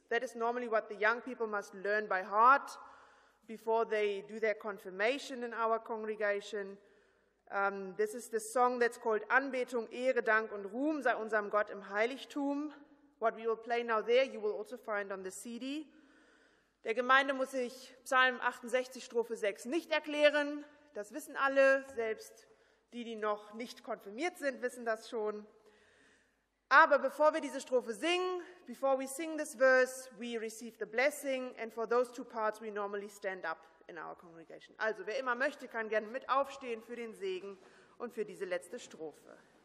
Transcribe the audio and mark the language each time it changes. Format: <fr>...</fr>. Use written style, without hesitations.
<en>That is normally what the young people must learn by heart before they do their confirmation in our congregation. This is the song that's called Anbetung, Ehre, Dank und Ruhm sei unserem Gott im Heiligtum. What we will play now there, you will also find on the CD.</en> <de>Der Gemeinde muss ich Psalm 68, Strophe 6 nicht erklären. Das wissen alle, selbst die, die noch nicht konfirmiert sind, wissen das schon. Aber bevor wir diese Strophe singen,</de> <en>before we sing this verse, we receive the blessing. And for those two parts, we normally stand up in our congregation.</en> <de>Also, wer immer möchte, kann gerne mit aufstehen für den Segen und für diese letzte Strophe.</de>